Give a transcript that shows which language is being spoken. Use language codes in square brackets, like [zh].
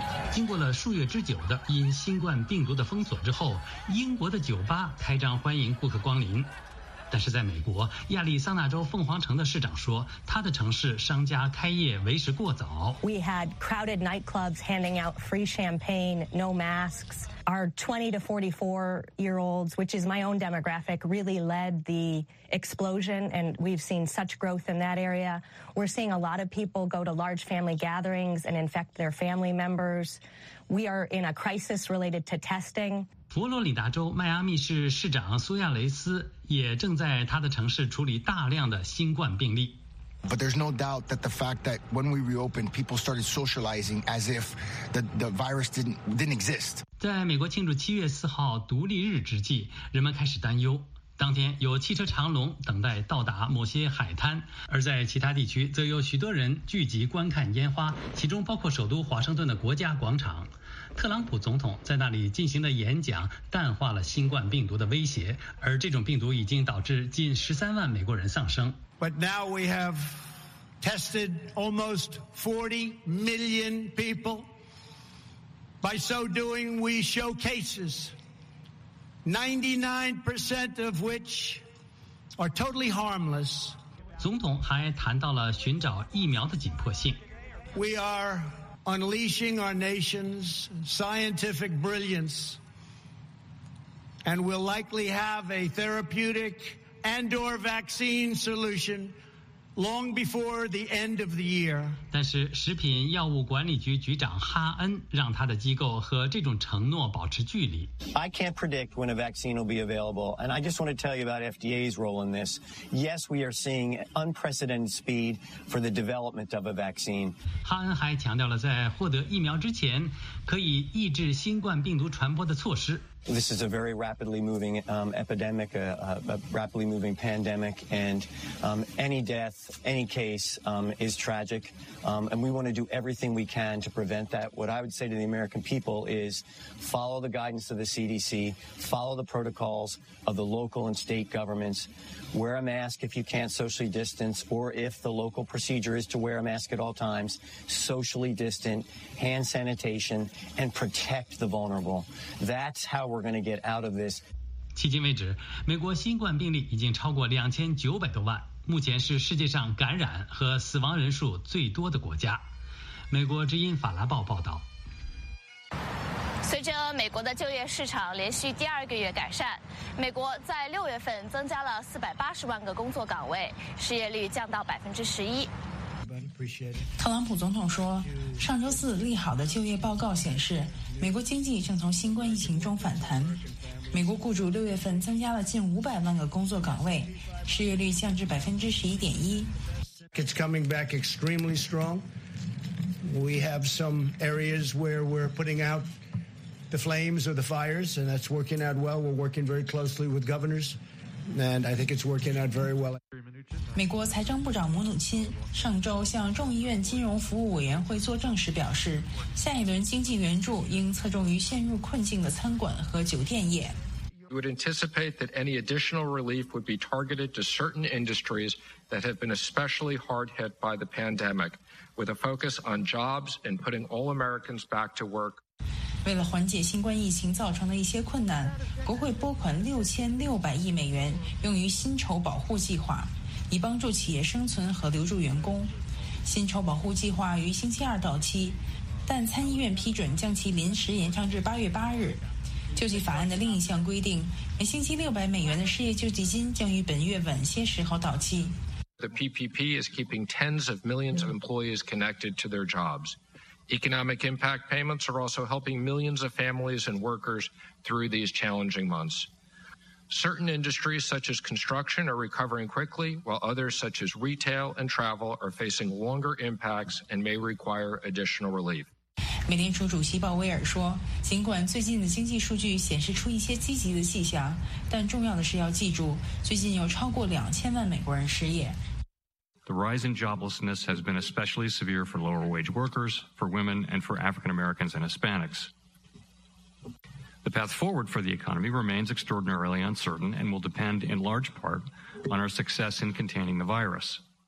[zh] 经过了数月之久的因新冠病毒的封锁之后，英国的酒吧开张欢迎顾客光临。但是在美国，亚利桑那州凤凰城的市长说，他的城市商家开业为时过早。 [en] We had crowded nightclubs handing out free champagne, no masks. Our 20 to 44 year olds, which is my own demographic, really led the explosion, and we've seen such growth in that area. We're seeing a lot of people go to large family gatherings and infect their family members. We are in a crisis related to testing. [zh] 佛罗里达州迈阿密市市长苏亚雷斯也正在他的城市处理大量的新冠病例。 [en] But there's no doubt that the fact that when we reopened, people started socializing as if the virus didn't exist. [zh] 在美国庆祝7月4号独立日之际，人们开始担忧。当天有汽车长龙等待到达某些海滩，而在其他地区则有许多人聚集观看烟花，其中包括首都华盛顿的国家广场。特朗普总统在那里进行的演讲淡化了新冠病毒的威胁，而这种病毒已经导致近13万美国人丧生。 [en] But now we have tested almost 40 million people. By so doing, we show cases, 99% of which are totally harmless. [zh] 总统还谈到了寻找疫苗的紧迫性。 [en] We are. Unleashing our nation's scientific brilliance, and we'll likely have a therapeutic and/or vaccine solution Long before the end of the year. [zh] 但是食品药物管理局局长哈恩让他的机构和这种承诺保持距离。 [en] I can't predict when a vaccine will be available, and I just want to tell you about FDA's role in this. Yes, we are seeing unprecedented speed for the development of a vaccine. [zh] 哈恩还强调了在获得疫苗之前可以抑制新冠病毒传播的措施。 [en] This is a very rapidly moving epidemic, a rapidly moving pandemic, and any death, any case is tragic. And we want to do everything we can to prevent that. What I would say to the American people is follow the guidance of the CDC, follow the protocols of the local and state governments, wear a mask if you can't socially distance, or if the local procedure is to wear a mask at all times, socially distant, hand sanitation, and protect the vulnerable. That's how we're going to get out of this. [zh] 迄今为止，美国新冠病例已经超过2900多万，目前是世界上感染和死亡人数最多的国家。美国之音法拉报报道。随着美国的就业市场连续第二个月改善，美国在六月份增加了480万个工作岗位，失业率降到11%。特朗普总统说，上周四利好的就业报告显示，美国经济正从新冠疫情中反弹。美国雇主六月份增加了近500万个工作岗位，失业率降至11.1%。 [en] It's coming back extremely strong. We have some areas where we're putting out the flames or the fires, and that's working out well. We're working very closely with governors, and I think it's working out very well. [zh] 美国财政部长姆努钦上周向众议院金融服务委员会作证时表示，下一轮经济援助应侧重于陷入困境的餐馆和酒店业。 [en] We would anticipate that any additional relief would be targeted to certain industries that have been especially hard hit by the pandemic, with a focus on jobs and putting all Americans back to work. [zh] 为了缓解新冠疫情造成的一些困难，国会拨款6600亿美元用于薪酬保护计划，以帮助企业生存和留住员工。薪酬保护计划于星期二到期，但参议院批准将其临时延长至8月8日。救济法案的另一项规定，每星期600美元的失业救济金将于本月晚些时候到期。 [en] The PPP is keeping tens of millions of employees connected to their jobs. Economic impact payments are also helping millions of families and workers through these challenging months. Certain industries such as construction are recovering quickly, while others such as retail and travel are facing longer impacts and may require additional relief. [zh] 美联储主席鲍威尔说，尽管最近的经济数据显示出一些积极的迹象，但重要的是要记住，最近有超过2000万美国人失业。 [en] The rise in joblessness has been especially severe for lower-wage workers, for women, and for African-Americans and Hispanics. The path forward for the economy remains extraordinarily uncertain and will depend in large part on our success in containing the virus.